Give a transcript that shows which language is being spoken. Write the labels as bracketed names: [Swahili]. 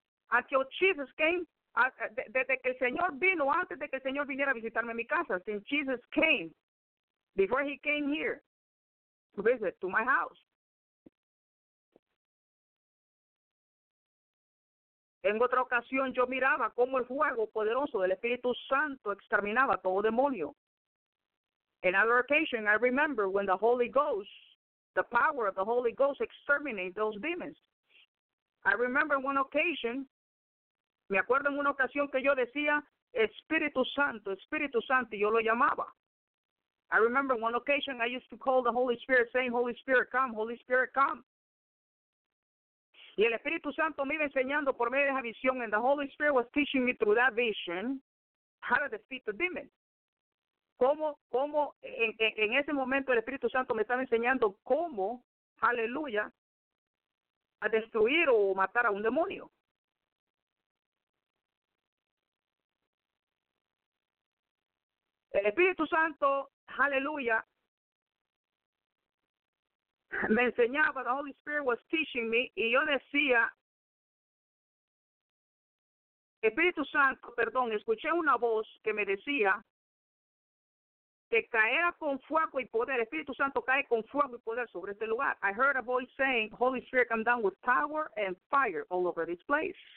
[English] Until Jesus came, [Spanish] desde que el Señor vino, antes de que el Señor viniera a visitarme en mi casa, [English] since Jesus came, before he came here, to visit, to my house. [Spanish] En otra ocasión yo miraba cómo el fuego poderoso del Espíritu Santo exterminaba todo demonio. [English] In another occasion, I remember when the Holy Ghost, the power of the Holy Ghost, exterminated those demons. I remember one occasion, [Spanish] me acuerdo en una ocasión que yo decía, Espíritu Santo, y yo lo llamaba. [English] I remember one occasion I used to call the Holy Spirit, saying, Holy Spirit, come, Holy Spirit, come. [Spanish] Y el Espíritu Santo me iba enseñando por medio de esa visión, [English] and the Holy Spirit was teaching me through that vision how to defeat the demons. [Spanish] Cómo en ese momento el Espíritu Santo me estaba enseñando cómo, aleluya, a destruir o matar a un demonio. El Espíritu Santo, aleluya, me enseñaba, [English] the Holy Spirit was teaching me, [Spanish] y yo decía, Espíritu Santo, perdón, escuché una voz que me decía, que caerá con fuego y poder. Espíritu Santo cae con fuego y poder sobre este lugar. [English] I heard a voice saying, Holy Spirit, come down with power and fire all over this place.